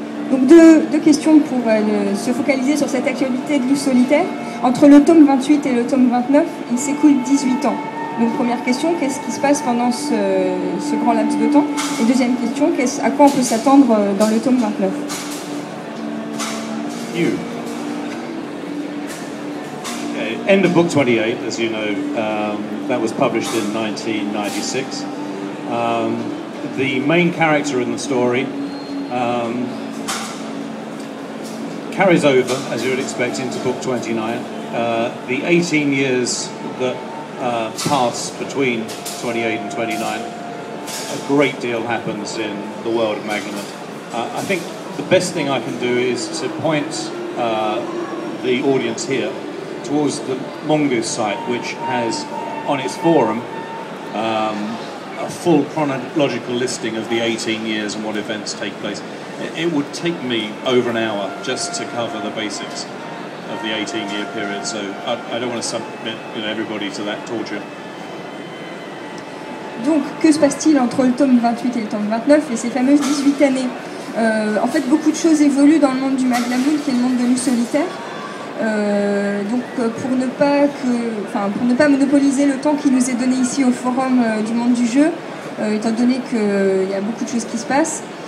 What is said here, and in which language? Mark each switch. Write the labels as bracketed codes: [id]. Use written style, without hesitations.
[fr] Donc deux questions pour se focaliser sur cette actualité de Loup Solitaire. Entre le tome 28 et le tome 29, il s'écoule 18 ans. Donc première question, qu'est-ce qui se passe pendant ce grand laps de temps? Et deuxième question, à quoi on peut s'attendre dans le tome 29? You. [en] End of book 28, as you know, that was published in 1996. The main character in the story carries over, as you would expect, into book 29. The 18 years that pass between 28 and 29, a great deal happens in the world of Magnemut. I think the best thing I can do is to point the audience here towards the Mongoose site, which has on its forum a full chronological listing of the 18 years and what events take place. It would take me over an hour just to cover the basics of the 18-year period, so I don't want to submit everybody to that torture. [fr] Donc, que se passe-t-il entre le tome 28 et le tome 29 et ces fameuses 18 années? En fait, beaucoup de choses évoluent dans le monde du Maglamoon, qui est le monde de Loup Solitaire. Donc pour ne pas monopoliser le temps qui nous est donné ici au forum du monde du jeu, étant donné qu'il y a beaucoup de choses qui se passent,